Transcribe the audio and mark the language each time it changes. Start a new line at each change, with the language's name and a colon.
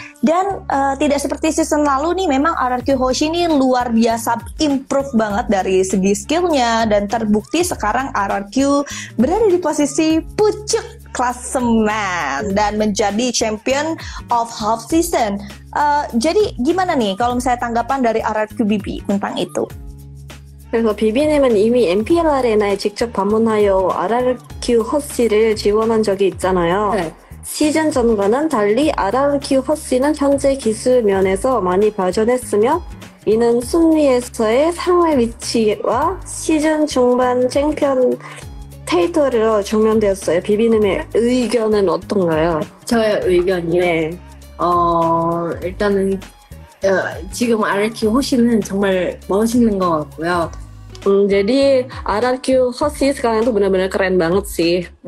Indonesian: Dan tidak seperti season lalu nih, memang RRQ Hoshi ini luar biasa improve banget dari segi skillnya, dan terbukti sekarang RRQ berada di posisi pucuk klasemen dan menjadi champion of half season. Jadi gimana nih kalau misalnya tanggapan dari RRQ Bibi tentang itu?
Korean: 그래서 비비님은 이미 MPL 아레나에 직접 방문하여 RRQ 허시를 지원한 적이 있잖아요. 시즌 전과는 달리 RRQ 허시는 현재 기술 면에서 많이 발전했으며, 이는 순위에서의 상위 위치와 시즌 중반 챔피언 테이터로 증명되었어요. 비비님의 의견은 어떤가요? 저의 의견이요? 네. 일단은 지금 RRQ 호시는 정말 멋있는 것 같고요. 제리 RRQ 호시 스카랑도
Indonesian: benar-benar keren banget sih.